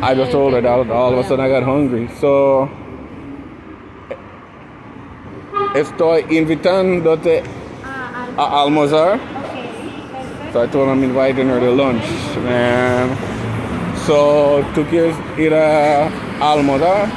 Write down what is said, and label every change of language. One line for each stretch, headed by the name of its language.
English: I just told her that all of a sudden I got hungry.
Spanish: So, estoy invitándote a almorzar.
English: Okay. So I told her I'm inviting her to lunch, man.
Spanish: So, tú quieres ir a almorzar?